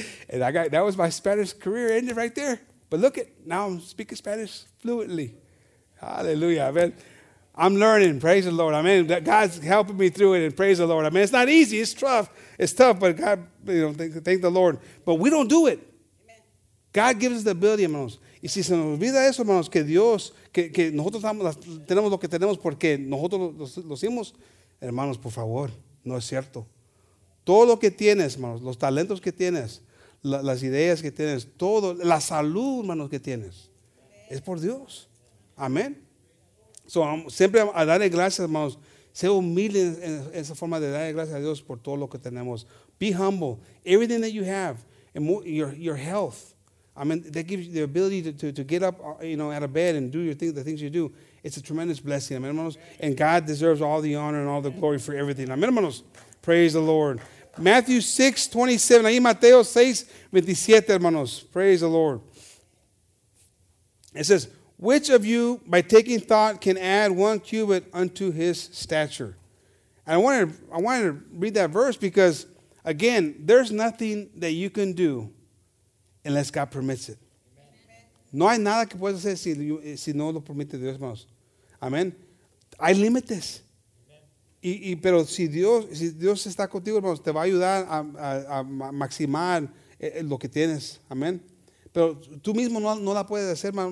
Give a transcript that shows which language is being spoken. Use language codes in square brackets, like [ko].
[en] And that was my Spanish career ended right there. But look at now I'm speaking Spanish fluently. Hallelujah. Amen. I'm learning. Praise the Lord. I mean, God's helping me through it, and praise the Lord. I mean, it's not easy. It's tough, but God, you know, thank the Lord. But we don't do it. God gives us the ability, hermanos. [es] Y si se nos olvida eso, hermanos, que Dios, que nosotros tenemos lo que tenemos porque nosotros lo hicimos, hermanos, por favor, no es cierto. Todo lo que tienes, hermanos, los talentos que tienes, las ideas que tienes, todo, la salud, hermanos, que tienes, es por Dios. Amén. So, siempre a darle gracias, hermanos. Sé humilde en esa forma de darle gracias a Dios por todo lo que tenemos. [en] Be humble. Everything that you have, and your health. I mean, that gives you the ability to get up, you know, out of bed and do the things you do. It's a tremendous blessing, amen, hermanos. And God deserves all the honor and all the glory for everything. Amen, hermanos. Praise the Lord. Matthew 6:27. [es] Ahí Mateo 6:27, hermanos. [en] Praise the Lord. It says, which of you, by taking thought, can add one cubit unto his stature? And I wanted to read that verse because, again, there's nothing that you can do unless God permits it. [es] No hay nada que puedas hacer si no lo permite Dios, hermanos. Amén. Hay límites. Pero si Dios está contigo, hermanos, te va a ayudar a maximar lo que tienes. Amén. Pero tú mismo no la puedes hacer, hermanos.